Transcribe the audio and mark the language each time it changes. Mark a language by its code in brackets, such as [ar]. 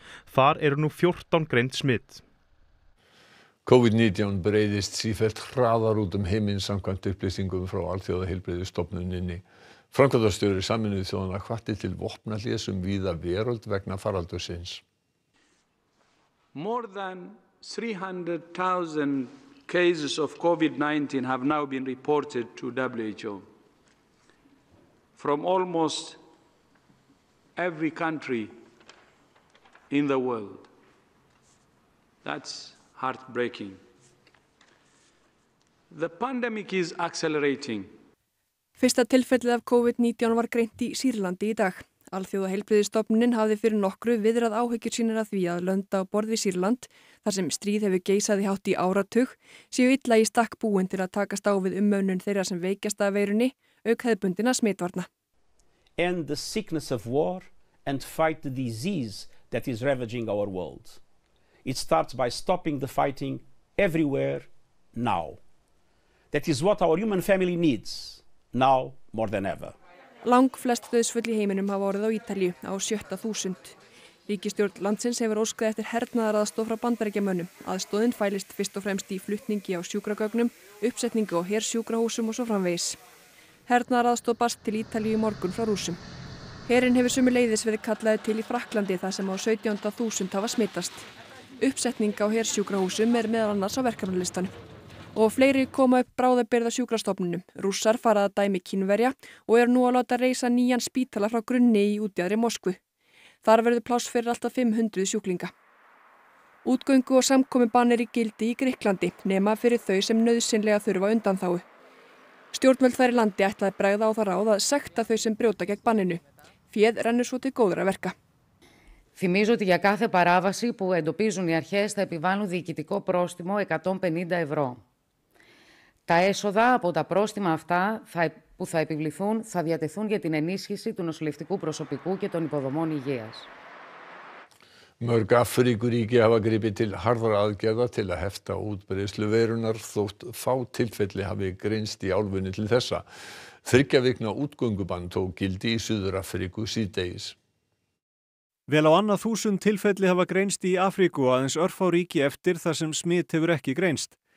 [is] Þar eru nú 14 greind smit. COVID-19 breiðist sífellt hraðar út heiminn samkvæmt upplýsingum frá Alþjóðaheilbrigðisstofnuninni. Framkvæmdastjóri Sameinuðu þjóðanna hvatti til vopnahlés víða veröld vegna faraldursins. [en] More than 300,000 cases of COVID-19 have now been reported to WHO from almost every country in the world. That's heartbreaking. The pandemic is accelerating. [is] Fyrsta tilfellið af COVID-19 var greint í Sýrlandi í dag. Alþjóðaheilbrigðisstofnunin hafði fyrir nokkru viðrað áhyggjur sínir að því að lönd á borði Sýrland, þar sem stríð hefur geisað í hátt í áratug, séu illa í stakk búin til að takast á við umönnun þeirra sem veikjast af veirunni, auk hefðbundina smitvarna. [en] End the sickness of war and fight the disease that is ravaging our world. It starts by stopping the fighting everywhere now. That is what our human family needs now more than ever. [is] Lang flest dauðsföll í heiminum hafa orðið á Ítalíu á 7000. Ríkisstjórn landsins hefur óskað eftir hernaðaraðstoð frá Bandaríkjamönnum. Aðstoðin fælist fyrst og fremst í flutningi á sjúkragögnum, uppsetningu á hersjúkrahúsum og svo framvegis. Hernaðaraðstoð barst til Ítalíu í morgun frá Rússum. Herinn hefur sömuleiðis verið kallaður til í Frakklandi þar sem á 17000 hafa smitast. Uppsetning á hersjúkrahúsum meðal annars á verkefnalistanum. Og fleiri koma upp bráðabirða sjúkrastofnunum. Rússar fara að dæmi Kínverja og eru nú að láta reisa nýjan spítala frá grunni í útjaðri Moskvu. Þar verður pláss fyrir alltaf 500 sjúklinga. Útgöngu og samkomi bann er í gildi í Grikklandi, nema fyrir þau sem nauðsynlega þurfa undanþágu. Stjórnvöld þar í landi ætlaði bregða á það ráð að sekta þau sem brjóta gegn banninu. Féð rennur svo til góðra verka. [el] Θυμίζω ότι για κάθε παράβαση που εντοπίζουν οι αρχές θα επιβάλλουν διοικητικό πρόστιμο 150 ευρώ. Τα έσοδα από τα πρόστιμα αυτά που θα επιβληθούν θα διατεθούν για την ενίσχυση του νοσηλευτικού προσωπικού και των υποδομών υγείας. [is] Mörg Afríkuríki hafa gripið til harðra aðgerða til að hefta útbreiðslu veirunar þótt fá tilfelli hafi greinst í álfunni til þessa. Þriggja vikna útgöngubann tók gildi í Suður-Afríku síðdegis. Vel á annað þúsund tilfelli hafa greinst í Afríku aðeins örfá ríki eftir þar sem smit hefur ekki greinst.